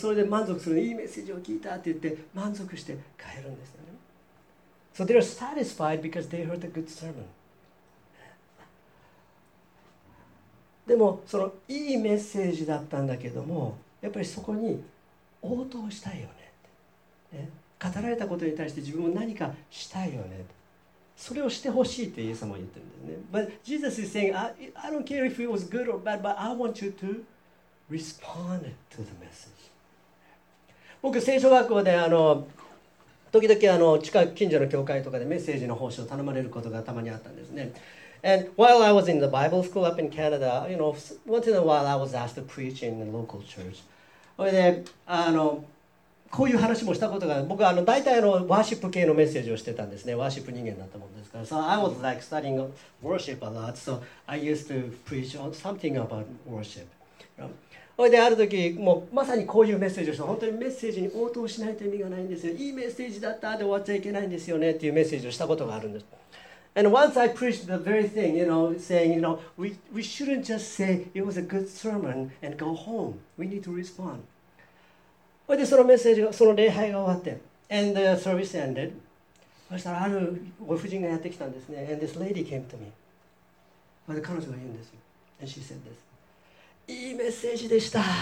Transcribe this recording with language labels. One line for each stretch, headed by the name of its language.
Japanese: それで満足する。いいメッセージを聞いたって言って満足して帰るんですよね。
English: So they are satisfied because they heard a good sermon.
Japanese: でも、そのいいメッセージだったんだけども、やっぱりそこに応答したいよね。ね語られたことに対して自分も何かしたいよね。それをしてほしいってイエス様は言ってるんですね。
English: But Jesus is saying, I don't care if it was good or bad, but I want you to respond to the message.
Japanese: 僕、聖書学校で時々近所の教会とかでメッセージの奉仕を頼まれることがたまにあったんですね。
English: And while I was in the Bible school up in Canada, you know, once in a while I was asked to preach in the local church.
Japanese: それで、こういう話もしたことが、僕は大体ワーシップ系のメッセージをしてたんですね。ワーシップ人間だったもんですから。
English: So I was like studying worship a lot. So I used to preach on something about worship.
Japanese: それで、ある時、もうまさにこういうメッセージをして、本当にメッセージに応答しないと意味がないんですよ。いいメッセージだったで終わっちゃいけないんですよねっていうメッセージをしたことがあるんです。
English: And once I preached the very thing, you know, saying, you know, we shouldn't just say it was a good sermon and go home. We need to respond.
Japanese: でそのメッセージが、その礼拝が終わって、
English: And the service ended.
Japanese: そしたらあるご婦人がやってきたんですね。
English: And this lady came to me.
Japanese: まず彼女が言うんです。
English: And she said this.
Japanese: いいメッセージでした。